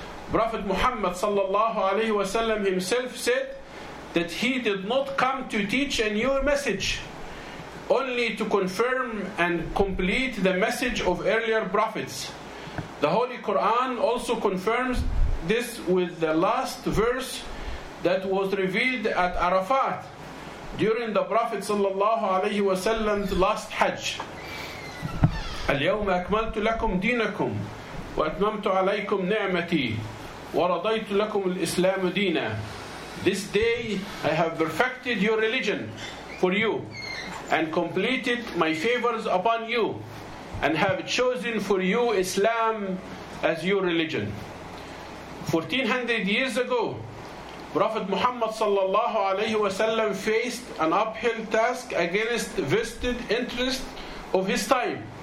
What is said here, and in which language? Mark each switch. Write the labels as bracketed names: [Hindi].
[English] Prophet Muhammad sallallahu alayhi wa sallam himself said that he did not come to teach a new message, only to confirm and complete the message of earlier prophets. The Holy Quran also confirms this with the last verse that was revealed at Arafat, during the Prophet sallallahu alayhi wa sallam's last Hajj. [Arabic] اليوم أكملت لكم دينكم وأتممت عليكم نعمتي ورضيت لكم الإسلام دينا. [English] This day I have perfected your religion for you and completed my favors upon you and have chosen for you Islam as your religion. 1400 years ago, Prophet Muhammad sallallahu alayhi wa sallam faced an uphill task against vested interest of his time.